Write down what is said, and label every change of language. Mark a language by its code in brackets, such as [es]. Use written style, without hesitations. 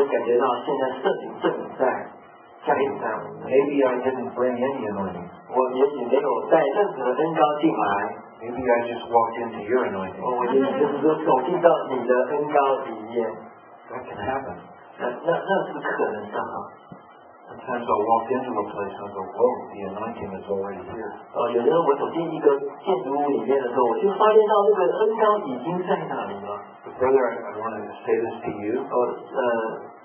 [zh] 我现在感觉到他现在在我身上，我也感觉到现在圣灵在。 [en] Maybe I didn't bring any anointing. [zh] 我也许没有带任何恩膏进来。 [en] Maybe I just walked into your anointing. [zh] 我也许就是说走进到你的恩膏里面。 [en] That can happen. [zh] 那是可能的。 [en] Sometimes I'll walk into a place and go, whoa, the anointing is already here. [zh] 有时候我走进一个建筑物里面的时候，我就发现到那个恩膏已经在那里了。 [en] Brother, I want to say this to you.